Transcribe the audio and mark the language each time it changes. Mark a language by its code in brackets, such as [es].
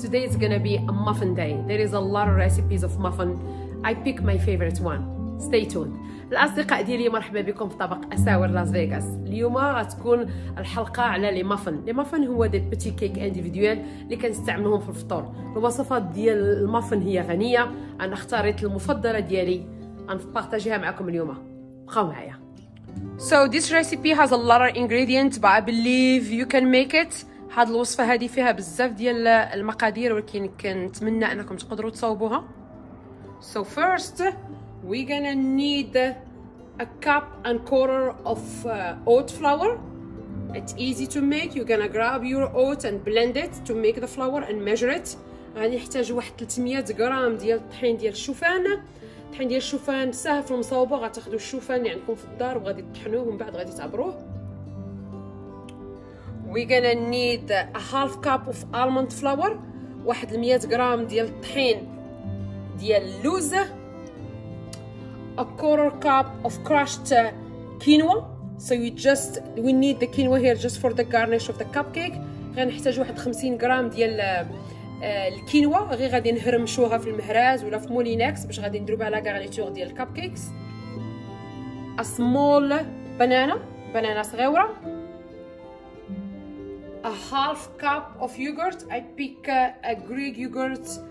[en] Today is gonna be a muffin day. There is a lot of recipes of muffin. I pick my favorite one. Stay tuned. [ar] الأصدقاء ديالي مرحبا بكم في طبق أساور لاس فيغاس. اليوم غتكون الحلقة على لي مافن. لي مافن هو دي بيتي كيك انديفيديوال اللي كنستعملوهم في الفطور. الوصفات ديال المافن هي غنية. أنا اختاريت المفضلة ديالي غنبارطاجيها معكم اليوم. بقاو معايا. [en] So this recipe has a lot of ingredients but I believe you can make it. [ar] هاد الوصفة هادي فيها بزاف ديال المقادير ولكن كنتمنى أنكم تقدروا تصاوبوها. [en] So first we're gonna need a cup and quarter of oat flour. It's easy to make. You're gonna grab your oat and blend it to make the flour and measure it. [ar] غادي نحتاج واحد 300 غرام ديال الطحين ديال الشوفان. الطحين ديال الشوفان ساهل في المصاوبه. غتاخذوا الشوفان اللي عندكم في الدار وغادي تطحنوه ومن بعد غادي تعبروه. [en] We're gonna need a half cup of almond flour. [ar] واحد 100 غرام ديال الطحين ديال اللوز. [en] A quarter cup of crushed quinoa. So we need the quinoa here just for the garnish of the cupcake. [ar] غنحتاج واحد 50 غرام ديال الكينوا. غير غادي نهرمشوها في المهراز ولا في مولينكس باش غادي نضربها على غارنيتور ديال الكبكيكس. [en] A small banana. [ar] بنانة صغيرة. [en] A half cup of yogurt. I pick a Greek yogurt.